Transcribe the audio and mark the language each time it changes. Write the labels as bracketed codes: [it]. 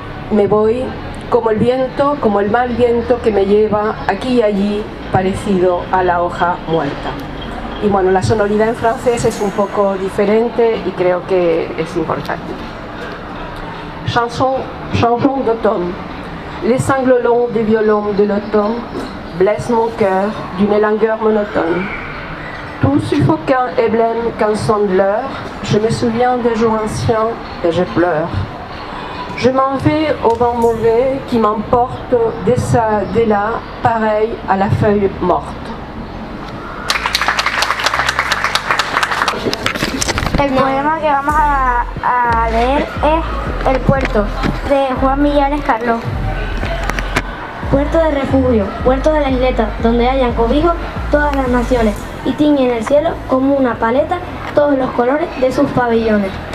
[es] Me voy como el viento, como el mal viento que me lleva aquí y allí parecido a la hoja muerta. Y bueno, la sonoridad en francés es un poco diferente y creo que es importante. [fr] Chanson d'automne. Les sanglots longs des violons de l'automne blessent mon cœur d'une langueur monotone. Tout suffocant et blême qu'en sonne l'heure, je me souviens des jours anciens et je pleure. Je m'en vais au vent mauvais qui m'emporte deçà, delà, pareil à la feuille morte. [es] El poema que vamos a leer es El Puerto, de Juan Millares Carlos. Puerto de refugio, puerto de la isleta, donde hayan cobijo todas las naciones y tiñen el cielo como una paleta todos los colores de sus pabellones.